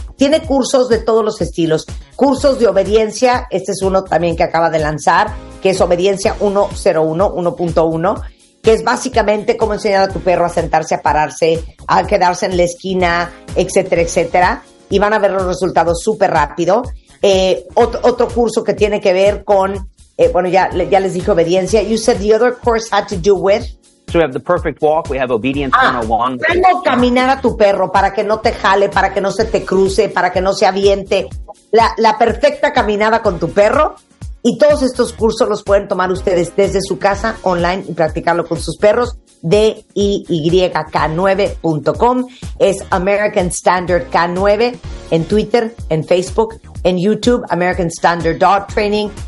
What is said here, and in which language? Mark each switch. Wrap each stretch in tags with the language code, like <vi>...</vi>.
<es>Tiene cursos de todos los estilos. Cursos de obediencia, este es uno también que acaba de lanzar, que es Obediencia 101, 1.1, que es básicamente cómo enseñar a tu perro a sentarse, a pararse, a quedarse en la esquina, etcétera, etcétera. Y van a ver los resultados súper rápido. Otro curso que tiene que ver con... ya les dije obediencia.</es> <en>You said the other course had to do with... So we have The Perfect Walk, we have Obedience 101.</en> <es>¿Cómo caminar a tu perro para que no te jale, para que no se te cruce, para que no se aviente? La perfecta caminada con tu perro. Y todos estos cursos los pueden tomar ustedes desde su casa, online, y practicarlo con sus perros. DIYK9.com es American Standard K9 en Twitter, en Facebook, en YouTube, American Standard Dog Training.</es>